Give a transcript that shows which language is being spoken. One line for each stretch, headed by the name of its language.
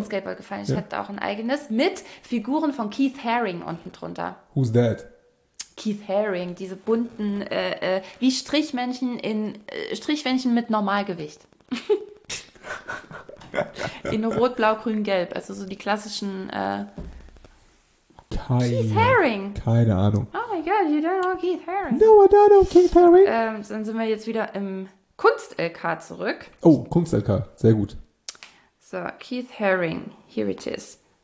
German: Ich bin Skateboard gefahren. Ich hatte auch ein eigenes mit Figuren von Keith Haring unten drunter.
English: Who's that?
German: Keith Haring, diese bunten, wie Strichmännchen in Strichmännchen mit Normalgewicht. In Rot, Blau, Grün, Gelb. Also so die klassischen. Keith Haring. Keine Ahnung.
English: Oh my god, you don't know Keith Haring. No, I don't know Keith Haring.
German: Dann sind wir jetzt wieder im Kunst-LK zurück. Oh, Kunst-LK, sehr gut.
English: So, Keith Haring, here it is.